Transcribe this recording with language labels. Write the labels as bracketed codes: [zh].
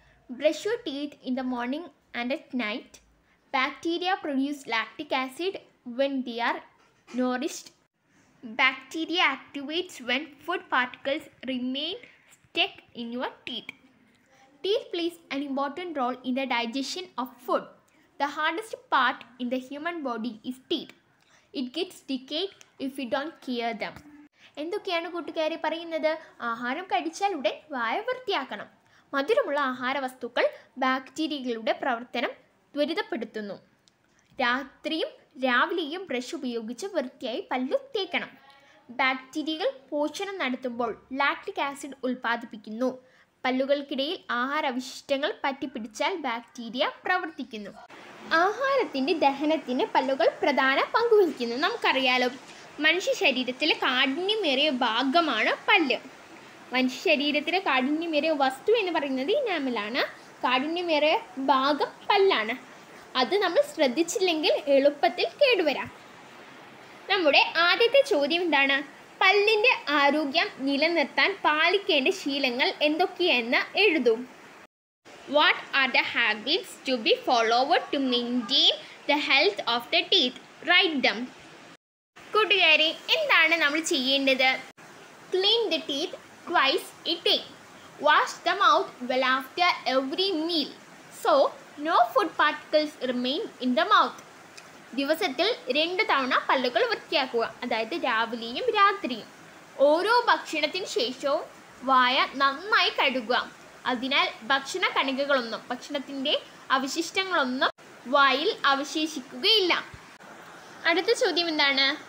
[en] Brush your teeth in the morning and at night. Bacteria produce lactic acid when the are nourished. Bacteria activates when food particles remain stuck in your teeth. Teeth plays an important role in the digestion of food. The hardest part in the human body is teeth. It gets decayed if we don't care them. [ml] എന്തൊക്കെയാണ് കൂട്ടുകാരെ പറയുന്നത്? ആഹാരം കഴിച്ചാൽ ഉടൻ വായ വൃത്തിയാക്കണം. മധുരമുള്ള ആഹാര വസ്തുക്കൾ ബാക്ടീരിയകളുടെ പ്രവർത്തനം ത്വരിതപ്പെടുത്തുന്നു. രാത്രിയും രാവിലെയും ബ്രഷ് ഉപയോഗിച്ച് വൃത്തിയായി പല്ലു തേക്കണം. ബാക്ടീരിയകൾ പോഷണം നടത്തുമ്പോൾ ലാക്ടിക് ആസിഡ് ഉൽപ്പാദിപ്പിക്കുന്നു. പല്ലുകൾക്കിടയിൽ ആഹാരവിശിഷ്ടങ്ങൾ പറ്റിപ്പിടിച്ചാൽ ബാക്ടീരിയ പ്രവർത്തിക്കുന്നു. ആഹാരത്തിൻ്റെ ദഹനത്തിന് പല്ലുകൾ പ്രധാന പങ്കുവഹിക്കുന്നു. നമുക്കറിയാലോ, മനുഷ്യ ശരീരത്തിലെ കാഠിന്യമേറിയ ഭാഗമാണ് പല്ല്. മനുഷ്യ ശരീരത്തിലെ കാഠിന്യമേറിയ വസ്തു എന്ന് പറയുന്നത് ഇനാമിലാണ്. കാഠിന്യമേറിയ ഭാഗം പല്ലാണ്. അത് നമ്മൾ ശ്രദ്ധിച്ചില്ലെങ്കിൽ എളുപ്പത്തിൽ കേടുവരാം. നമ്മുടെ ആദ്യത്തെ ചോദ്യം എന്താണ്? പല്ലിൻ്റെ ആരോഗ്യം നിലനിർത്താൻ പാലിക്കേണ്ട ശീലങ്ങൾ എന്തൊക്കെയെന്ന് എഴുതും. [en] What are the habits to be followed to maintain the health of the teeth? Write them. [ml] കൂട്ടുകാരെ, എന്താണ് നമ്മൾ ചെയ്യേണ്ടത്? [en] Clean the teeth twice a day. Wash the mouth well after every meal, so no food particles remain in the mouth. [ml] ദിവസത്തിൽ 2 തവണ പല്ലുകൾ വൃത്തിയാക്കുക, അതായത് രാവിലെയും രാത്രിയും. ഓരോ ഭക്ഷണത്തിന് ശേഷവും വായ നന്നായി കഴുകുക. അതിനാൽ ഭക്ഷണ കണികകളൊന്നും ഭക്ഷണത്തിൻ്റെ അവശിഷ്ടങ്ങളൊന്നും വായിൽ അവശേഷിക്കുകയില്ല. അടുത്ത ചോദ്യം എന്താണ്?